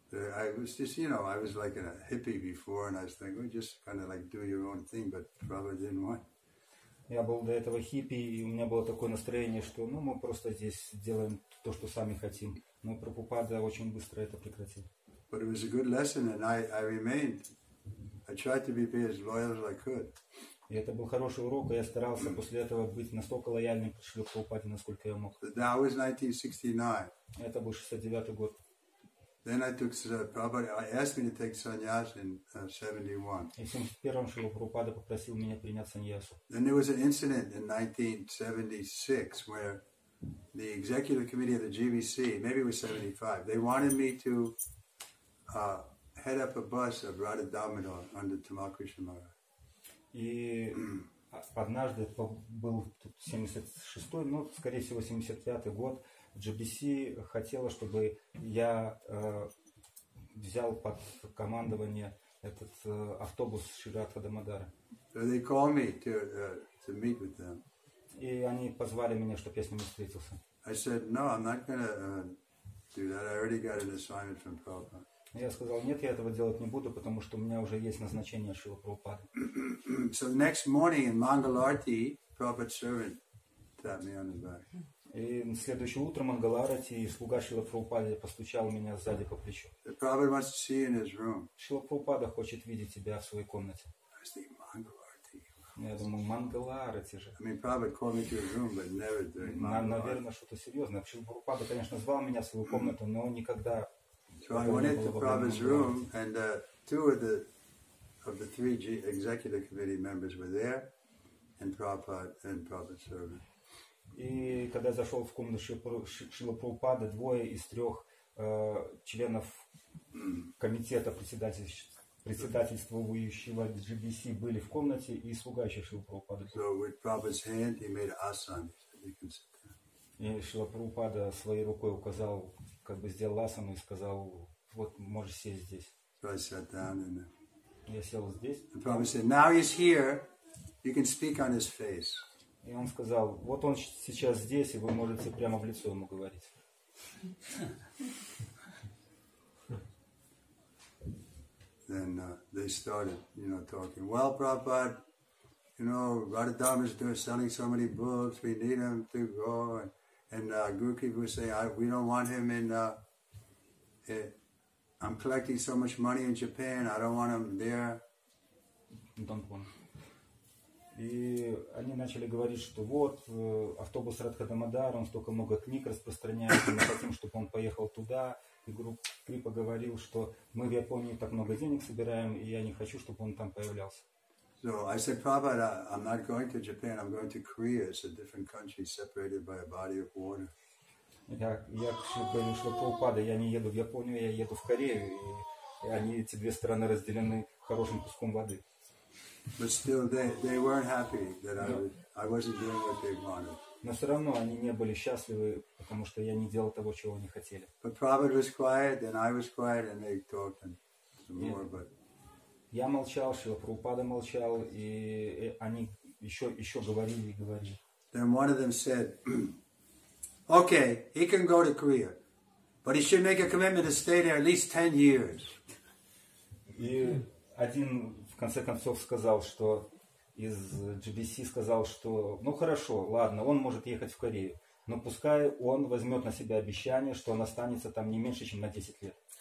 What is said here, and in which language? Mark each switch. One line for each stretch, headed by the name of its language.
English: I was just, you know, I was like a hippie before, and I was thinking, well, just kind of like do your own thing, but Prabhupada didn't want.
Russian: Я был до этого хиппи, и у меня было такое настроение, что, ну, мы просто здесь делаем то, что сами хотим. Но Прабхупада очень быстро это прекратил.
English: But it was a good lesson, and I remained. I tried to be as loyal as I could.
Russian: И это был хороший урок, и я старался после этого быть настолько лояльным к Шриле Прабхупаде, насколько я мог.
English: That was 1969.
Russian: Это был 69 год.
English: Then I took Prabhupada, I asked me to take sannyas in 71.
Russian: И в 71-м Шрила Прабхупада попросил меня принять саньясу.
English: Then there was an incident in 1976 where the executive committee of the GBC, maybe it was 75, they wanted me to head up a bus of Radha Damodar under Tamal Krishna Maharaj.
Russian: И однажды, это был 76-й, ну, скорее всего, 75-й год, GBC хотела, чтобы я взял под командование этот автобус Шридхара Дамодара.
English: So they call me to meet with them.
Russian: И они позвали меня, чтобы я с ними встретился.
English: I said, no, I'm not going to do that. I already got an assignment from Prabhupada.
Russian: Я сказал, нет, я этого делать не буду, потому что у меня уже есть назначение Шрила Прабхупады.
English: So the next morning in Mangalarti, Prabhupada's servant tapped me on the back.
Russian: И на следующее утро Мангаларати и слуга Шрила Прабхупады постучал меня сзади по плечу.
English: The Prabhupada wants to see you in his room.
Russian: Шрила Прабхупада хочет видеть тебя в своей комнате.
English: I was thinking, Mangalarti.
Russian: Я думаю, Мангаларати же.
English: I mean, Prabhupada called me to his room, but never during Mangalarti.
Russian: Наверное, что-то серьезное. Шрила Прабхупада, конечно, звал меня в свою комнату, но никогда...
English: So I went into Prabhupada's room, and two of the three executive committee members were there, and Prabhupada and Prabhupada's servant.
Russian: И когда я зашел в комнату Шрила Прабхупады, двое из трех членов комитета председательствующего GBC были в комнате и слуга Шрила Прабхупады.
English: So with Prabhupada's hand, he made asana. You can sit down.
Russian: И Шрила Прабхупада своей рукой указал. Как бы сделал асану и сказал, вот можешь сесть здесь.
English: So I sat down and
Russian: я сел здесь.
English: And Prabhupada said, now he's here, you can speak on his face.
Russian: И он сказал, вот он сейчас здесь, и вы можете прямо в лицо ему говорить.
English: Then they started, you know, talking. Well, Prabhupada, you know, Radha Dharma is selling so many books, we need him to go. And Guru Kripa was saying, we don't want him in, I'm collecting so much money in Japan, I don't want him there. Don't want.
Russian: И они начали говорить, что вот, автобус Радха Дамодара, он столько много книг распространяет, мы хотим, чтобы он поехал туда, И Гуру Крипа говорил, что мы в Японии так много денег собираем, и я не хочу, чтобы он там появлялся.
English: So I said, Prabhupada, I'm not going to Japan, I'm going to Korea. It's a different country separated by a body of water.
Russian: Я говорю, что Прабхупада, я не еду в Японию, я еду в Корею. И они, эти две страны, разделены хорошим куском воды.
English: But still, they weren't happy that I wasn't doing what they wanted.
Russian: Но все равно они не были счастливы, потому что я не делал того, чего они хотели.
English: But Prabhupada was quiet, and I was quiet, and they talked and some more, but...
Russian: Я молчал, Шрила Прабхупада молчал, и они еще говорили и говорили.
English: Then one of them said, okay, he can go to Korea, but he should make a commitment to stay there at least 10 years.
Russian: И один в конце концов сказал, что из GBC сказал, что ну хорошо, ладно, он может ехать в Корею, но пускай он возьмет на себя обещание, что он останется там не меньше, чем на 10 лет.